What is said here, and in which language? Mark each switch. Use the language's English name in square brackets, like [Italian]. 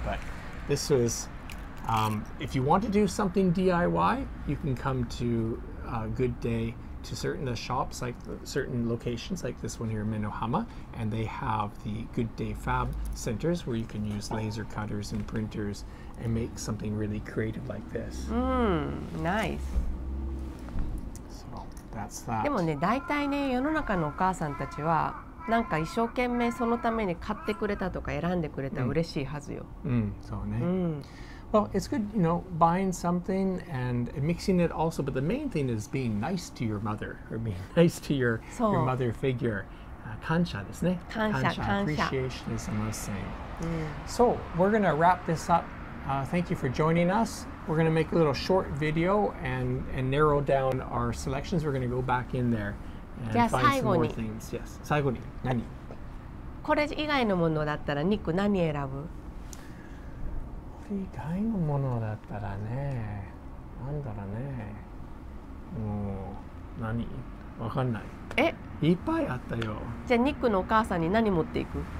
[English] But this was, if you want to do something DIY, you can come to Good Day to certain shops, like certain locations, like this one here in Meinohama. And they have the Good Day Fab Centers where you can use laser cutters and printers and make something really creative like this. Nice. That's that. [Japanese] でもね、大体ね、世の中のお母さんたちはなんか一生懸命そのために買ってくれたとか選んでくれたら嬉しいはずよ。うん、そうね。 [English] Well, it's good, you know, buying something and mixing it also, but the main thing is being nice to your mother or being nice to your mother figure. [Japanese] 感謝ですね。感謝、感謝。 [English] Appreciation is the most thing. So, we're going to wrap this up. Thank you for joining us. We're going to make a little short video and narrow down our selections. We're going to go back in there and find some more things. [Japanese] Yes. 最後に何？これ以外のものだったらニック何選ぶ？これ以外のものだったらね、なんだろうね、もう何？わかんない。え？いっぱいあったよ。じゃあニックのお母さんに何持っていく？